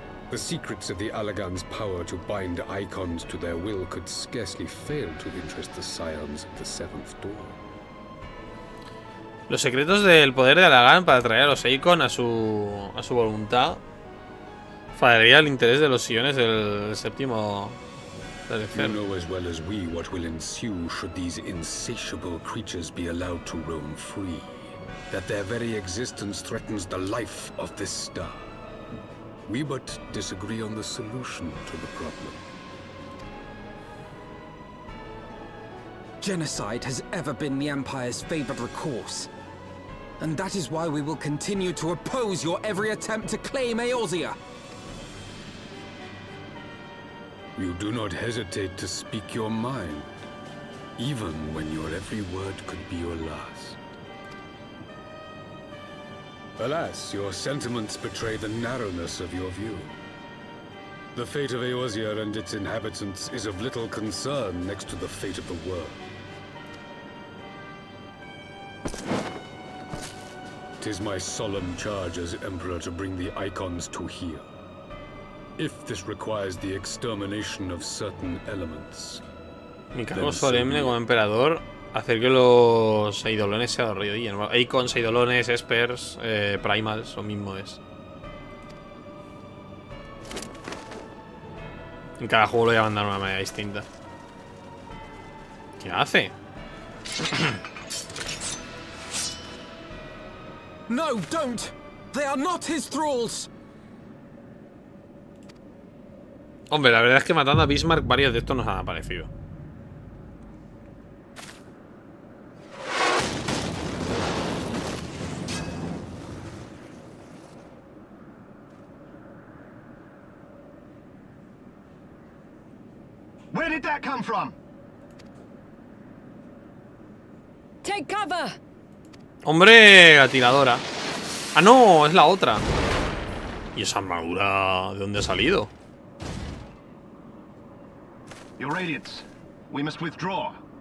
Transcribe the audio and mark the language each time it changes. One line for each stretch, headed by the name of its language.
English: The secrets of the Alagan's power to bind icons to their will could scarcely fail to interest the scions of the seventh door.
Spanish: Los secretos del poder de Alagan para atraer a los icons a su voluntad faltaría el interés de los sillones del séptimo tercer.
English: You know as well as we what will ensue should these insatiable creatures be allowed to roam free, that their very existence threatens the life of this star. We but disagree on the solution to the problem. Genocide has ever been the Empire's favored recourse. And that is why we will continue to oppose your every attempt to claim Eorzea. You do not hesitate to speak your mind, even when your every word could be your last. Alas, your sentiments betray the narrowness of your view. The fate of Eorzea and its inhabitants is of little concern next to the fate of the world. It is my solemn charge as Emperor to bring the icons to heel. If this requires the extermination of certain elements...
Spanish: Mi cargo solemne como emperador... Hacer que los eidolones se arrodillen. Icons, eidolones, espers, primals, lo mismo es. En cada juego lo voy a mandar de una manera distinta. ¿Qué hace?
English: No, don't. They are not his thralls.
Spanish: Hombre, la verdad es que matando a Bismarck varios de estos nos han aparecido.
English: did that come from? Take cover.
Spanish: Hombre, atiradora. Ah, no, es la otra. ¿Y esa armadura de dónde ha salido?
English: Your radiance, we must withdraw.